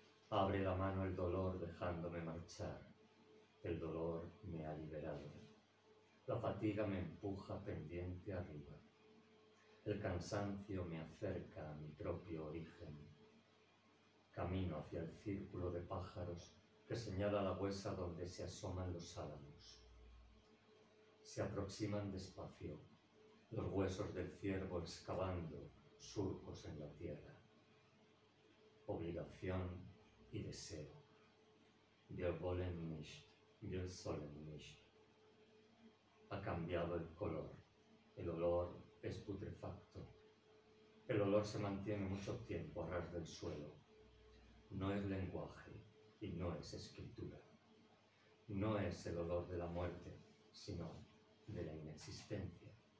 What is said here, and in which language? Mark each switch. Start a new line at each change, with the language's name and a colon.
Spanish: Abre la mano el dolor dejándome marchar, el dolor me ha liberado, la fatiga me empuja pendiente arriba, el cansancio me acerca a mi propio origen. Camino hacia el círculo de pájaros que señala la huesa donde se asoman los álamos. Se aproximan despacio, los huesos del ciervo excavando surcos en la tierra. Obligación y deseo.
German: Wir wollen nicht, wir sollen nicht.
Spanish: Ha cambiado el color, el olor es putrefacto. El olor se mantiene mucho tiempo a ras del suelo. No es lenguaje y no es escritura. No es el olor de la muerte, sino de la inexistencia.